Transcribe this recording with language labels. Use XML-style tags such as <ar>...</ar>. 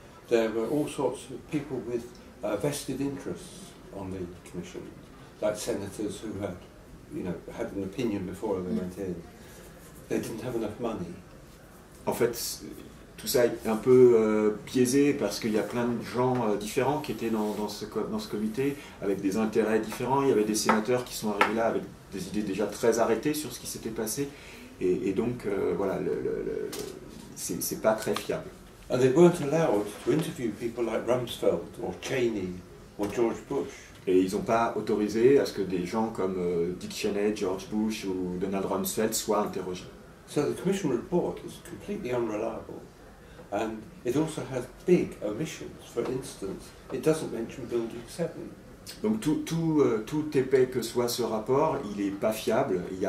<en>There were all sorts of people with vested interests on the commission. Like senators who had, you know, had an opinion before they went in, they didn't have enough money.</en> <fr>En fait, tout ça est un peu biaisé parce qu'il y a plein de gens différents qui étaient dans ce comité avec des intérêts différents. Il y avait des sénateurs qui sont arrivés là avec des idées déjà très arrêtées sur ce qui s'était passé, et donc voilà, c'est pas très fiable.</fr> <en>And they weren't allowed to interview people like Rumsfeld or Cheney or George Bush.</en> <fr>Et ils n'ont pas autorisé à ce que des gens comme Dick Cheney, George Bush ou Donald Rumsfeld soient interrogés.</fr> <en>So the commission report is completely unreliable, and it also has big omissions. For instance, it doesn't mention Building 7.</en> <fr>Donc tout épais que soit ce rapport, il est pas fiable.</fr>